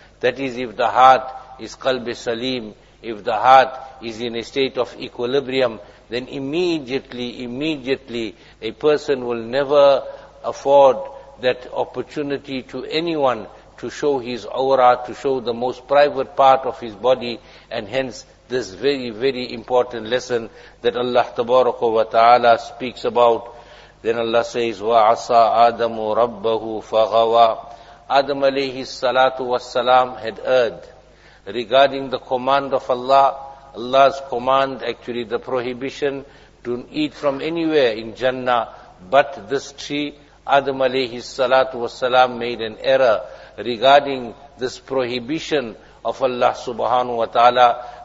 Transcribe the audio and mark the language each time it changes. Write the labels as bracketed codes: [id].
[en] That is, if the heart is qalbi salim, if the heart is in a state of equilibrium, then immediately a person will never afford that opportunity to anyone to show his aura, to show the most private part of his body. And hence this very, very important lesson that Allah tabaraka wa ta'ala speaks about. Then Allah says, [ar] وَعَصَى آدَمُ رَبَّهُ فَغَوَى. [en] Adam alayhi salatu wassalam had erred regarding the command of Allah. Allah's command, actually the prohibition, don't eat from anywhere in Jannah but this tree. Adam alayhi salatu wassalam made an error regarding this prohibition of Allah subhanahu wa ta'ala.